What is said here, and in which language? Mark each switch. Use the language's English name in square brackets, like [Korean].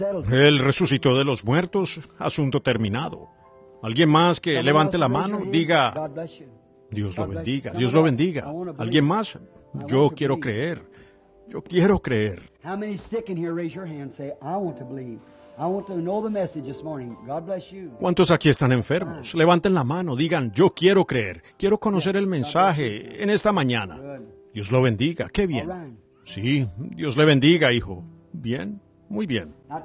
[Spanish] Él resucitó de los muertos. Asunto terminado. Alguien más que levante la mano, diga, Dios lo bendiga, Dios lo bendiga. Alguien más, yo quiero creer, yo quiero creer. [English] How many sick in here raise your hand and say, I want to believe. I want to know the message this morning. God bless you. [Spanish] ¿Cuántos aquí están enfermos? Levanten la mano, digan, yo quiero creer, quiero conocer el mensaje en esta mañana. Dios lo bendiga, qué bien. Sí, Dios le bendiga, hijo. Bien, muy bien.